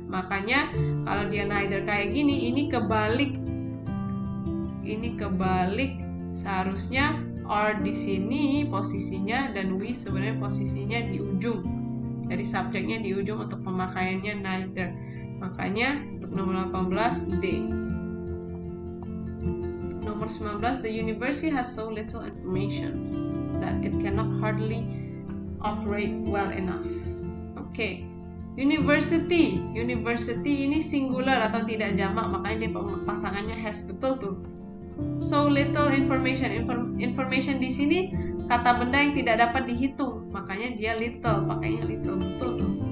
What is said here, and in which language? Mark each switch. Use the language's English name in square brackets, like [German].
[Indonesian] Makanya kalau dia neither kayak gini, ini kebalik. Ini kebalik, seharusnya are di sini posisinya dan we sebenarnya posisinya di ujung. Jadi subjeknya di ujung untuk pemakaiannya neither. Makanya untuk nomor 18 D. Nomor 19, [English] the university has so little information that it cannot hardly operate well enough. Okay. [Indonesian] University ini singular atau tidak jamak, makanya dia pasangannya has, betul tuh. [English] So little information. [Indonesian] Information di sini kata benda yang tidak dapat dihitung, makanya dia little, pakainya little, betul tuh.